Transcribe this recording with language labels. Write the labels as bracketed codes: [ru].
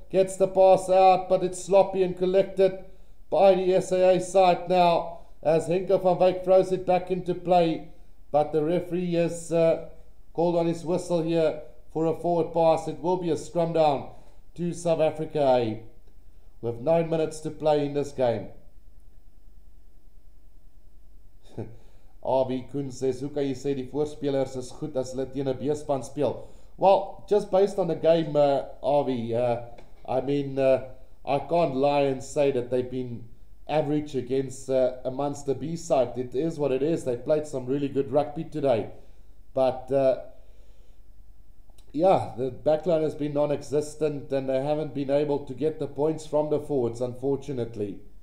[en] Gets the pass out, but it's sloppy and collected by the SAA side now, as Henke van Wyk throws it back into play. But the referee has called on his whistle here for a forward pass. It will be a scrum down to South Africa A with 9 minutes to play in this game. [af] RB Koen says, hoe kan jy sê die voorspelers is goed as hulle teen 'n B-span speel? [en] Well, just based on the game, RB, I mean, I can't lie and say that they've been average against a Munster B-side. It is what it is. They played some really good rugby today. But, yeah, the backline has been non-existent and they haven't been able to get the points from the forwards, unfortunately.